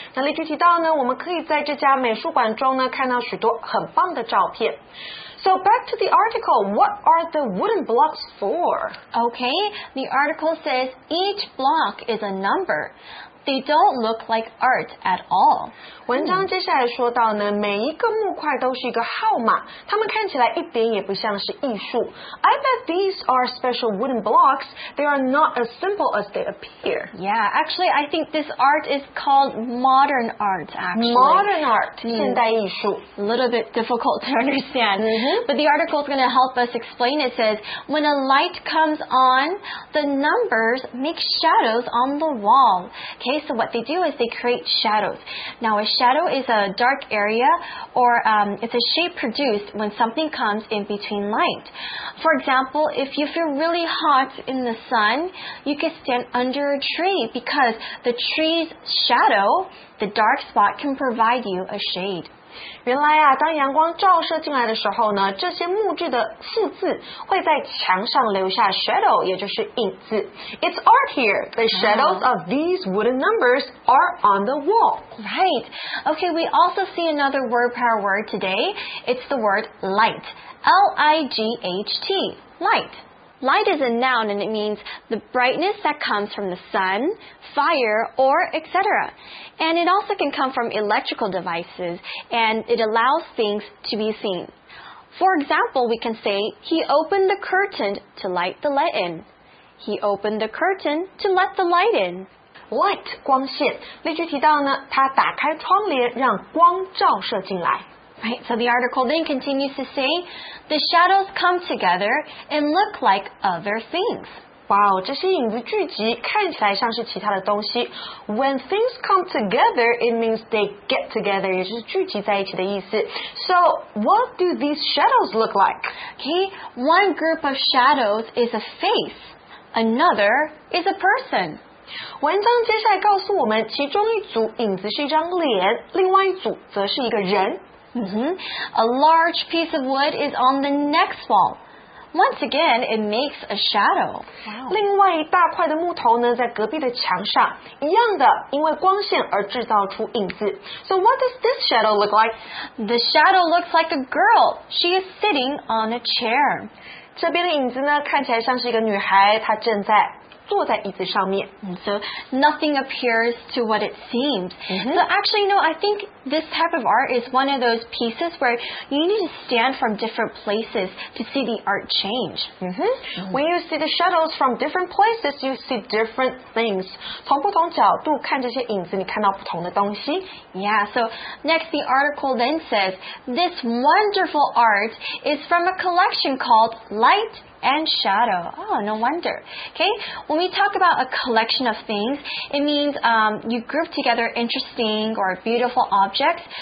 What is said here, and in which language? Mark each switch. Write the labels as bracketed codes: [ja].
[zh] 那例句提到呢，我们可以在这家美术馆中呢，看到许多很棒的照片。 [en] So back to the article, what are the wooden blocks for? Okay, the article says each block is a number. They don't look like art at all. [zh] 文章接下来说到呢，每一个木块都是一个号码，它们看起来一点也不像是艺术。 [en] I bet these are special wooden blocks. They are not as simple as they appear. Yeah, actually, I think this art is called modern art, actually. Modern art, 现代艺术。 A little bit difficult to understand. But the article is going to help us explain. It says, when a light comes on, the numbers make shadows on the wall. Okay, so what they do is they create shadows. Now, a shadow is a dark area or it's a shape produced when something comes in between light. For example, if you feel really hot in the sun, you can stand under a tree because the tree's shadow, the dark spot, can provide you a shade. [zh] 原来啊，当阳光照射进来的时候呢，这些木质的数字会在墙上留下 shadow， 也就是影子。 [en] It's art here. The shadows of these wooden numbers are on the wall. Right. Okay, we also see another word power word today. It's the word light. L-I-G-H-T. Light. Light is a noun and it means the brightness that comes from the sun, fire, or etc. And it also can come from electrical devices and it allows things to be seen. For example, we can say, he opened the curtain to light the light in. He opened the curtain to let the light in. Light, 光线。 [zh] 例句提到呢，他打开窗帘让光照射进来。 [en] Right, so the article then continues to say, the shadows come together and look like other things. [zh] Wow, 这些影子聚集看起来像是其他的东西。 [en] When things come together, it means they get together, [zh] 也就是聚集在一起的意思。 [en] So, what do these shadows look like? Okay, one group of shadows is a face, another is a person. [zh] 文章接下来告诉我们，其中一组影子是一张脸，另外一组则是一个人。 [en] A large piece of wood is on the next wall. Once again, it makes a shadow. Wow. [zh] 另外一大块的木头呢，在隔壁的墙上，一样的，因为光线而制造出影子。 [en] So what does this shadow look like? The shadow looks like a girl. She is sitting on a chair. [zh] 这边的影子呢，看起来像是一个女孩，她正在坐在椅子上面。 [en] So nothing appears to what it seems. So actually, you know, I think this type of art is one of those pieces where you need to stand from different places to see the art change. When you see the shadows from different places, you see different things. [zh] 从不同角度看这些影子，你看到不同的东西。 [en] Yeah, so next the article then says, this wonderful art is from a collection called Light and Shadow. Oh, no wonder. Okay, when we talk about a collection of things, it means you group together interesting or beautiful objects.